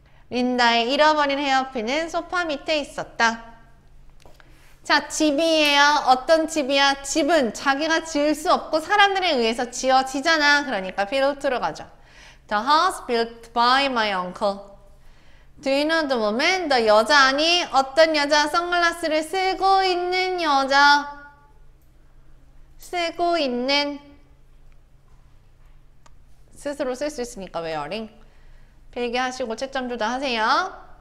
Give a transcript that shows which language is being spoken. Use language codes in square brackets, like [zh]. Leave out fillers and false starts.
[ko] 린다의 잃어버린 헤어핀은 소파 밑에 있었다. 자, 집이에요. 어떤 집이야? 집은 자기가 지을 수 없고 사람들에 의해서 지어지잖아. 그러니까 built로 가죠. [en] The house built by my uncle. Do you know the woman? [ko] 너 여자 아니? 어떤 여자? 선글라스를 쓰고 있는 여자. 쓰고 있는 스스로 쓸수 있으니까 웨어링 필기하시고 채점 조사 하세요.